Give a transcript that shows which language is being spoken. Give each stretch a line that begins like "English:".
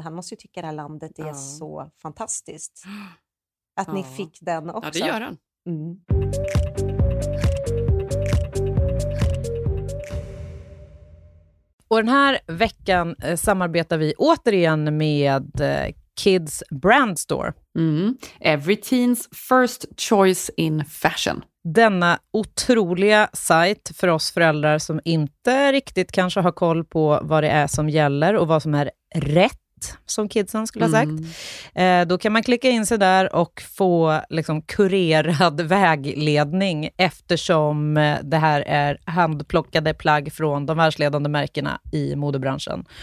Swedish: Han måste ju tycka det här landet är så fantastiskt. Att ni fick den också. Ja, det gör han. Och den här veckan samarbetar vi återigen med Kids Brand Store.
English: Every teen's first choice in fashion.
Swedish: Denna otroliga sajt för oss föräldrar som inte riktigt kanske har koll på vad det är som gäller och vad som är rätt. som kidsen skulle ha sagt. Då kan man klicka in sig där och få liksom kurerad vägledning, eftersom det här är handplockade plagg från de världsledande märkena i modebranschen.